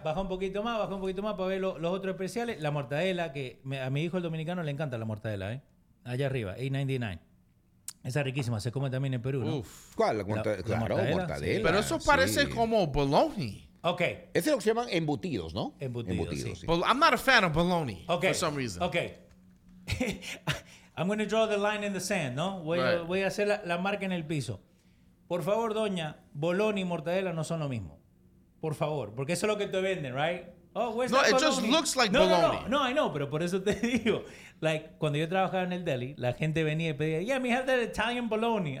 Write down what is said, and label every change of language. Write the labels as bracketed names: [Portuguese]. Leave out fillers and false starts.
[Spanish] Baja un poquito más para ver los otros especiales. La mortadela, que a mi hijo el dominicano le encanta la mortadela, ¿eh? Allá arriba, $8.99. Esa riquísima, se come también en Perú, ¿no? Uf. ¿Cuál? La mortadela. Sí, pero eso parece como bologna. Ok. Ese es lo que se llaman embutidos, ¿no? Embutidos, sí. [English] I'm not a fan of bologna for some reason. Ok. I'm going to draw the line in the sand, ¿no? [Spanish] Voy a hacer la marca en el piso. Por favor, doña, bologna y mortadela no son lo mismo. Por favor, porque eso es lo que te venden, right? [English] Oh, where's no, it bologna? Just looks like no, bologna. No, I know, [Spanish] pero por eso te digo. Like, cuando yo trabajaba en el deli, la gente venía y pedía, [English] yeah, we have that Italian bologna.